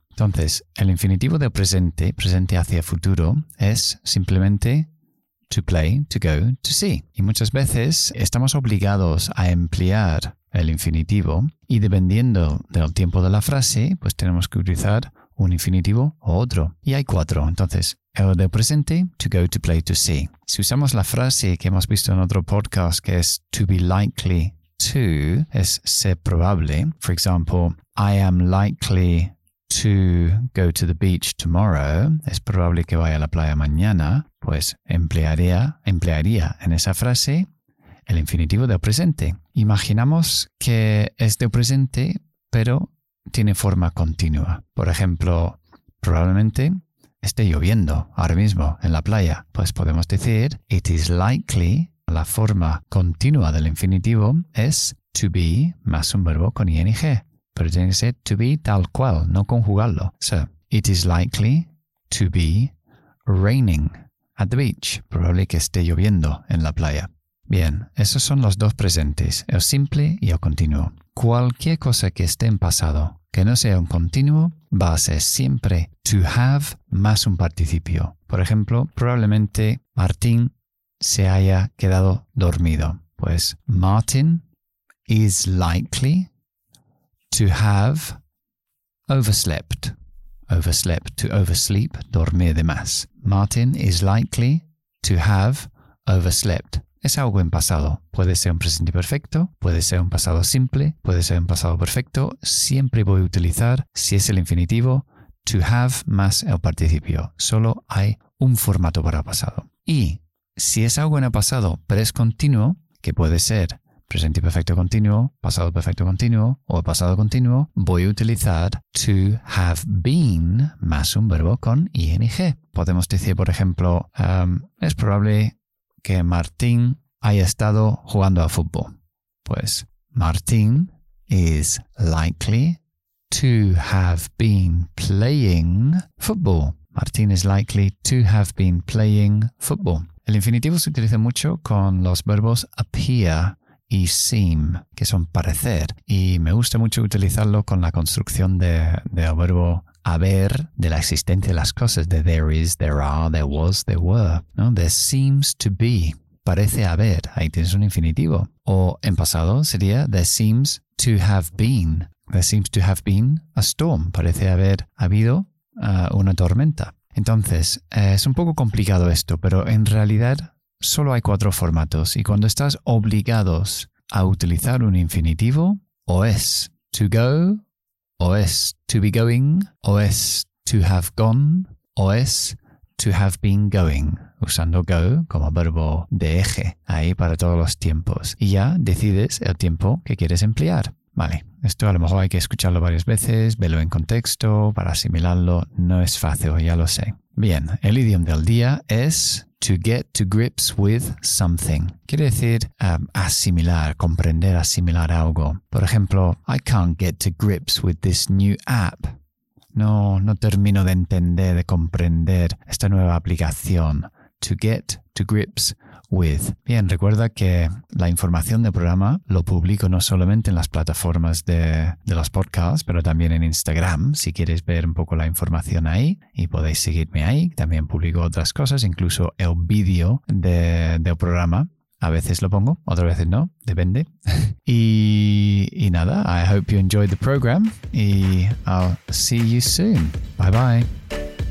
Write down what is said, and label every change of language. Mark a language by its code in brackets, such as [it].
[es] Entonces, el infinitivo del presente, presente hacia futuro, es simplemente to play, to go, to see. Y muchas veces estamos obligados a emplear el infinitivo y dependiendo del tiempo de la frase, pues tenemos que utilizar un infinitivo o otro. Y hay 4. Entonces, el del presente, to go, to play, to see. Si usamos la frase que hemos visto en otro podcast, que es to be likely to, es ser probable. [en] For example, I am likely to go to the beach tomorrow, [es] es probable que vaya a la playa mañana, pues emplearía en esa frase el infinitivo del presente. Imaginamos que es del presente, pero tiene forma continua. Por ejemplo, probablemente esté lloviendo ahora mismo en la playa. Pues podemos decir, [en] it is likely, [es] la forma continua del infinitivo es to be más un verbo con ing. Pero tiene que ser to be tal cual, no conjugarlo. [en] So, it is likely to be raining at the beach. [es] Probable que esté lloviendo en la playa. Bien, esos son los dos presentes, el simple y el continuo. Cualquier cosa que esté en pasado, que no sea un continuo, va a ser siempre to have más un participio. Por ejemplo, probablemente Martín se haya quedado dormido. Pues, [en] Martin is likely to have overslept. Overslept, to oversleep, [es] dormir de más. [en] Martin is likely to have overslept. [es] Es algo en pasado. Puede ser un presente perfecto, puede ser un pasado simple, puede ser un pasado perfecto. Siempre voy a utilizar, si es el infinitivo, to have más el participio. Solo hay un formato para pasado. Y si es algo en el pasado, pero es continuo, que puede ser presente perfecto continuo, pasado perfecto continuo o pasado continuo, voy a utilizar to have been más un verbo con ing. Podemos decir, por ejemplo, es probable que Martín haya estado jugando a fútbol. Pues, [en] Martín is likely to have been playing football. Martín is likely to have been playing football. [es] El infinitivo se utiliza mucho con los verbos appear y seem, que son parecer. Y me gusta mucho utilizarlo con la construcción del verbo haber de la existencia de las cosas, de [en] there is, there are, there was, there were, [es] ¿no? [en] There seems to be, [es] parece haber, ahí tienes un infinitivo. O en pasado sería [en] there seems to have been, there seems to have been a storm, [es] parece haber habido una tormenta. Entonces, es un poco complicado esto, pero en realidad solo hay cuatro formatos y cuando estás obligados a utilizar un infinitivo, o es to go, o es to be going, o es to have gone, o es to have been going, usando go como verbo de eje ahí para todos los tiempos. Y ya decides el tiempo que quieres emplear. Vale, esto a lo mejor hay que escucharlo varias veces, verlo en contexto para asimilarlo. No es fácil, ya lo sé. Bien, el idioma del día es to get to grips with something. Quiere decir asimilar, comprender, asimilar algo. Por ejemplo, [en] I can't get to grips with this new app. [es] No termino de entender, de comprender esta nueva aplicación. To get to grips with. Bien, recuerda que la información del programa lo publico no solamente en las plataformas de los podcasts, pero también en Instagram, si quieres ver un poco la información ahí y podéis seguirme ahí. También publico otras cosas, incluso el vídeo del programa. A veces lo pongo, otras veces no, depende. Y nada, [en] I hope you enjoyed the program y I'll see you soon. Bye bye.